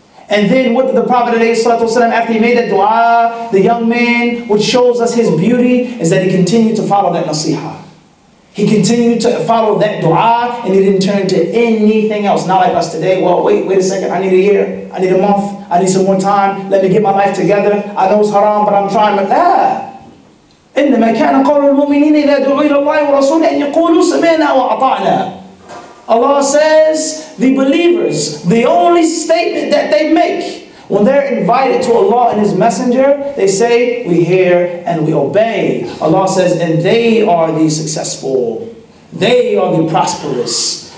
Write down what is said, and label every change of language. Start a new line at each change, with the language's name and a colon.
English: And then what did the Prophet ﷺ, after he made that dua, the young man, which shows us his beauty, is that he continued to follow that nasiha. He continued to follow that dua and he didn't turn to anything else. Not like us today. Well, wait a second. I need a year. I need a month. I need some more time. Let me get my life together. I know it's haram, but I'm trying.
Arabic: But إنما كان قول المؤمنين إذا دعوا إلى الله ورسوله أن يقولوا سمعنا وأطعنا.
English: Allah says, the believers, the only statement that they make when they're invited to Allah and His Messenger, they say, we hear and we obey. Allah says, and they are the successful. They are the prosperous.